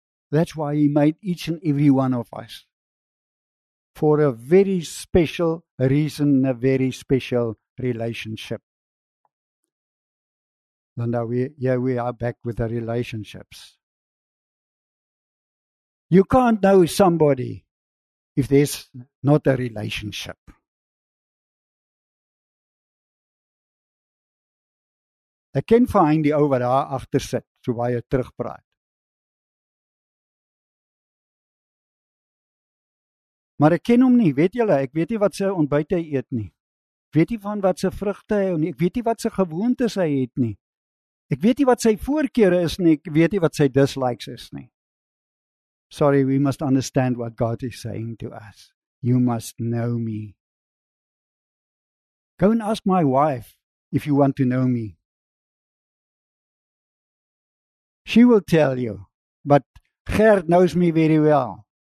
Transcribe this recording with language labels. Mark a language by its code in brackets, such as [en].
[en] That's why he made each and every one of us. For a very special reason, a very special relationship. And now we are back with the relationships. You can't know somebody if there's not a relationship. [af] Ek ken vir hy die ou wat daar agter sit, so baie terugpraat. Maar ek ken hom nie, weet julle, ek weet nie wat sy ontbyt hy eet nie. Weet nie van wat sy vrugte hy eet nie, ek weet nie wat sy gewoontes hy het nie. Ek weet nie wat sy voorkeure is nie, ek weet nie wat sy dislikes is nie. [en] Sorry, we must understand what God is saying to us. You must know me. Go and ask my wife if you want to know me. She will tell you, but Gert knows me very well.